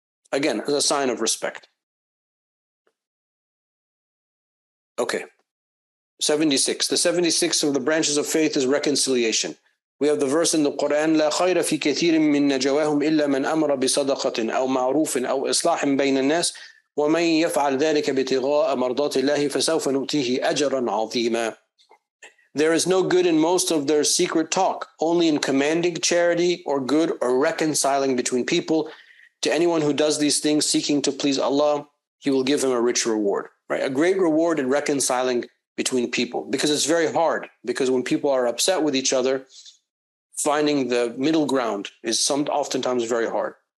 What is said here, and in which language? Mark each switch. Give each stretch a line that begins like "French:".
English: Again, as a sign of respect. Okay, 76. The 76 of the branches of faith is reconciliation. We have the verse in the Quran,
Arabic: لَا خَيْرَ فِي كَثِيرٍ مِّن نَجَوَاهُمْ إِلَّا مَنْ أَمْرَ بِصَدَقَةٍ أَوْ مَعْرُوفٍ أَوْ إِصْلَاحٍ بَيْنَ النَّاسِ وَمَنْ يَفْعَلْ ذَلِكَ بِتِغَاءَ مَرْضَاتِ اللَّهِ فَسَوْفَ نُؤْتِيهِ أَجْرًا عَظِيمًا.
English: There is no good in most of their secret talk, only in commanding charity or good or reconciling between people. to anyone who does these things seeking to please Allah, he will give him a rich reward, right? A great reward in reconciling between people, because it's very hard, because when people are upset with each other, finding the middle ground is oftentimes very hard.